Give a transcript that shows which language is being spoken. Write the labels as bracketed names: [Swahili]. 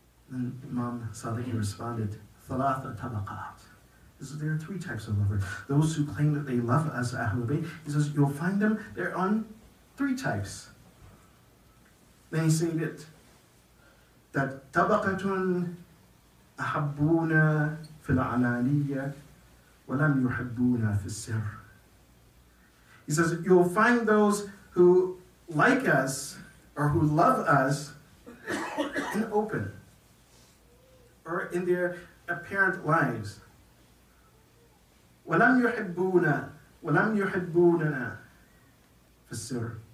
[English] And Imam Sadiq responded, [Arabic] "Thalatha tabaqat." [English] So there are three types of lovers. Those who claim that they love us, Ahlul Bayt, he says, you'll find them, they're on three types. Then he said it, [Arabic] that tabaqatun أحبونا في العلانية ولم يحبونا في السر. [English] He says, you'll find those who like us or who love us in open or in their apparent lives. [Arabic] وَلَمْ يُحِبُّونَ وَلَمْ يُحِبُّونَنَا فِي السِّرِّ.